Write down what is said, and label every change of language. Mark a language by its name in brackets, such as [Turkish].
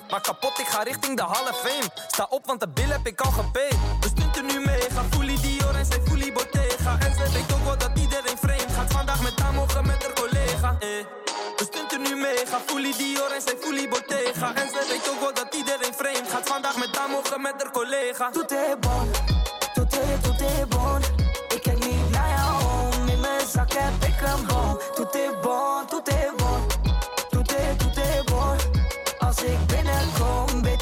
[Dutch] Maar kapot, ik ga richting de Hall of Fame. Sta op, want de bil heb ik al gepaid. We stunten nu mee, ga Fuli Dior en zij Fuli Bottega. En ze weet ook wel dat iedereen vreemd gaat. Vandaag met haar mogen met haar collega, ey. We stunten nu mee, ga Fuli Dior en zijn Fuli Bottega. En ze weet ook wel dat iedereen vreemd gaat. Vandaag met haar mogen met haar collega. [French] Tout est bon, tout est, tout est bon. [Dutch] Ik kijk niet naar jou om, in mijn zak heb ik een bon. [French] Tout est bon, tout est bon, tout est, tout est bon. [Dutch] Als ik binnenkom, beter.